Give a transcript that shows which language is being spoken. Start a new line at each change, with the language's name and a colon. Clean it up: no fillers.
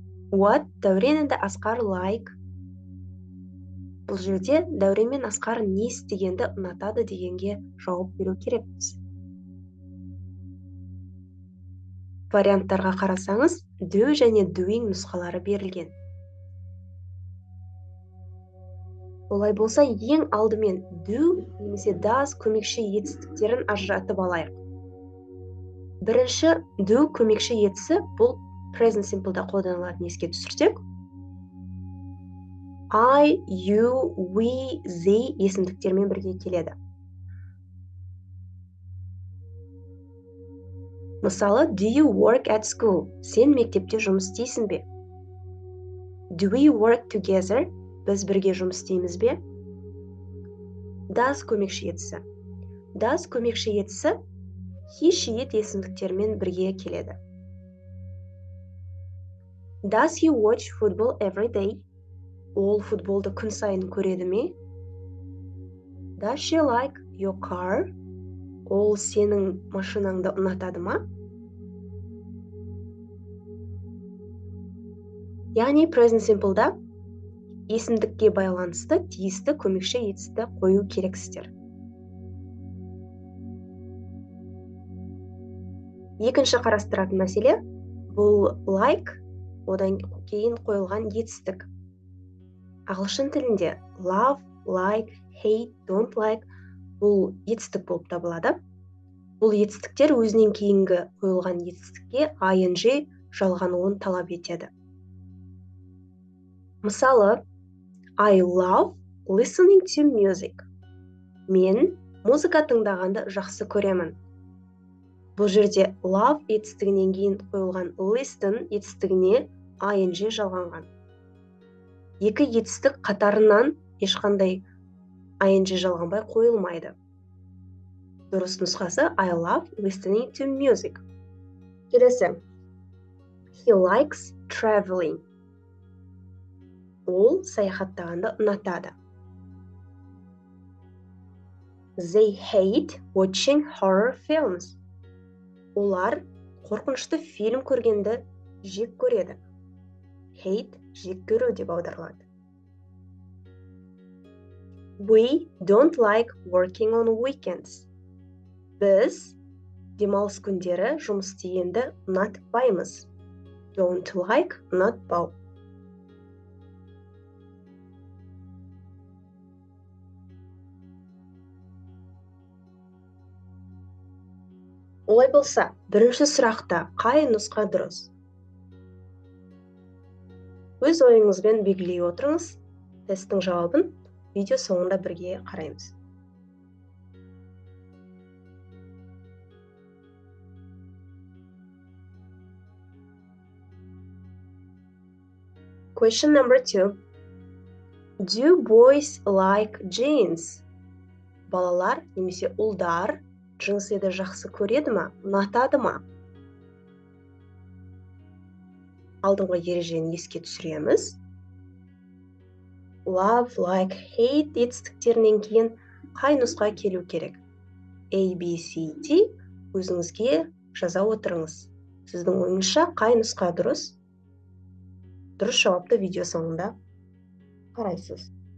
English: What Дәурен and Асқар like?
Kazakh: Бұл жерде Дәурен мен Асқар не істегенді ұнатады дегенге жауап беру керекпіз. Варианттарға қарасаңыз, do және doing нұсқалары берілген. Олай болса, ең алдымен do немесе does көмекші етістіктерін ажыратып алайық. Бірінші, do көмекші етісі бұл present simple-да қолданылатын еске түсірсек. I, you, we, they есімдіктермен бірге келеді.
English: Мысалы, do you work at school?
Kazakh: Сен мектепте жұмыс істейсің бе?
English: Do we work together?
Kazakh: Біз бірге жұмыс істейміз бе? Does көмекші етісі. Does көмекші етісі he, she есімдіктермен бірге келеді.
English: Does he watch football every day?
Kazakh: Ол футболды күн сайын көреді ме?
English: Does she like your car?
Kazakh: Ол сенің машинаңды ұнатады ма? Яғни present simple-да есімдікке байланысты тиісті көмекші етісті қою керексіздер. Екінші қарастыратын мәселе бұл like, одан кейін қойылған етістік. Ағылшын тілінде love, like, hate, don't like бұл етістік болып табылады. Бұл етістіктер өзінен кейінгі қойылған етістікке ing жалғануын талап етеді.
English: Мысалы, I love listening to music.
Kazakh: Мен музыка тыңдағанды жақсы көремін. Бұл жерде love етістігінен кейін қойылған listen етістігіне ing жалғанған. Екі етістік қатарынан ешқандай ing жалғанбай қойылмайды. Дұрыс нұсқасы
English: I love listening to music. Келесі. He likes traveling.
Kazakh: Ол саяхаттағанды ұнатады.
English: They hate watching horror films.
Kazakh: Олар қорқынышты фильм көргенді жек көреді. Hate жек көру деп аударылады.
English: We don't like working on weekends.
Kazakh: Біз демалыс күндері жұмыс істегенді ұнатпаймыз.
English: Don't like ұнатпау.
Kazakh: Олай болса, бірінші сұрақта қай нұсқа дұрыс? Өз ойыңызбен белгілей отырыңыз. Тесттің жауабын видео соңында бірге қараймыз.
English: Question number two. Do boys like jeans?
Kazakh: Балалар немесе ұлдар джинсыды жақсы көреді ма, ұнатады ма? Алдыңғы ережені еске түсіреміз. Love, like, hate етістіктерінен кейін қай нұсқа келу керек? A, B, C, D өзіңізге жаза отырыңыз. Сіздің ойыңызша қай нұсқа дұрыс? Дұрыс жауапты видео соңында қарайсыз.